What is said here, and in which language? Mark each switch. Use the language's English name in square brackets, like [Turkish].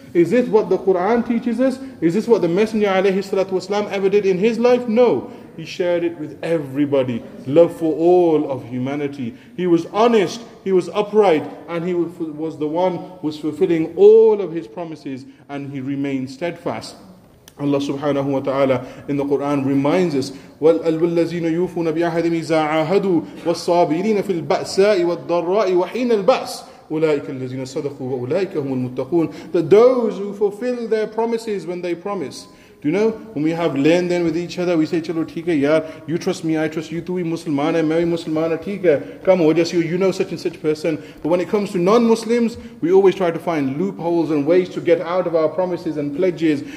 [English] Is this what the Quran teaches us? Is this what the Messenger alayhi salatu wasalam ever did in his life? No. He shared it with everybody. Love for all of humanity. He was honest. He was upright. And he was the one who was fulfilling all of his promises. And he remained steadfast. Allah subhanahu wa ta'ala in the Quran reminds us, [Arabic] وَالَّذِينَ يُوفُونَ بِأَحَدٍ إِذَا عَاهَدُوا وَالصَّابِرِينَ فِي الْبَأْسَاءِ وَالضَّرَّاءِ وَحِينَ الْبَأْسِ أُولَٰئِكَ الَّذِينَ صَدَقُوا وَأُولَٰئِكَ هُمُ الْمُتَّقُونَ. [English] That those who fulfill their promises when they promise. You know, when we have learned then with each other, we say, [Urdu] chalo, theek hai, yaar, [English] you trust me, I trust you, [Urdu] tu bhi musliman hai, main bhi musliman hai, theek hai, [English] come on, just you know such and such person. But when it comes to non-Muslims, we always try to find loopholes and ways to get out of our promises and pledges.